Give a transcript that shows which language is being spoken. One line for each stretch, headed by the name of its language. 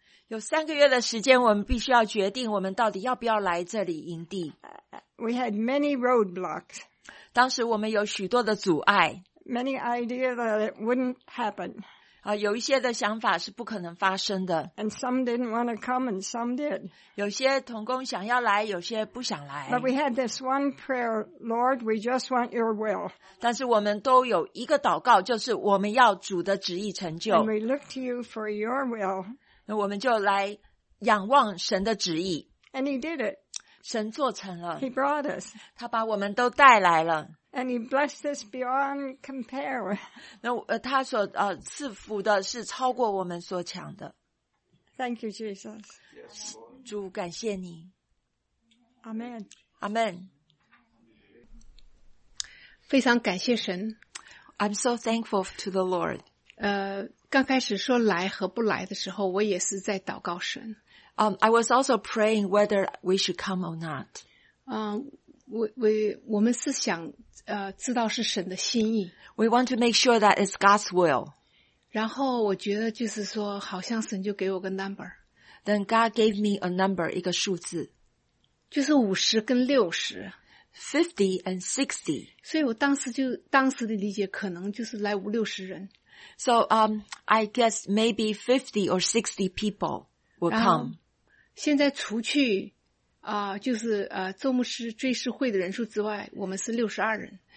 Chinese: 有三个月的时间，我们必须要决定我们到底要不要来这里营地。
English: We had many roadblocks.
Chinese: 当时我们有许多的阻碍。
English: Many ideas that it wouldn't happen.
Chinese: 有一些的想法是不可能发生的。
English: And some didn't want to come and some did.
Chinese: 有些同工想要来，有些不想来。
English: But we had this one prayer, Lord, we just want your will.
Chinese: 但是我们都有一个祷告，就是我们要主的旨意成就。
English: And we look to you for your will.
Chinese: 那我们就来仰望神的旨意。
English: And he did it.
Chinese: 神做成了。
English: He brought us.
Chinese: 他把我们都带来了。
English: And he blessed us beyond compare.
Chinese: 那他所赐福的是超过我们所想的。
English: Thank you, Jesus. Yes, Lord.
Chinese: 主，感谢你。
English: Amen. Amen.
Chinese: 非常感谢神。
English: I'm so thankful to the Lord.
Chinese: 刚开始说来和不来的时候，我也是在祷告神。
English: I was also praying whether we should come or not.
Chinese: 我们是想知道是神的心意。
English: We want to make sure that it's God's will.
Chinese: 然后我觉得就是说，好像神就给我个 number.
English: Then God gave me a number,
Chinese: 一个数字，就是五十跟六十。
English: 50 and 60.
Chinese: 所以我当时的理解可能就是来五六十人。
English: So, I guess maybe 50 or 60 people will come.
Chinese: 现在除去就是周牧师追思会的人数之外，我们是62人。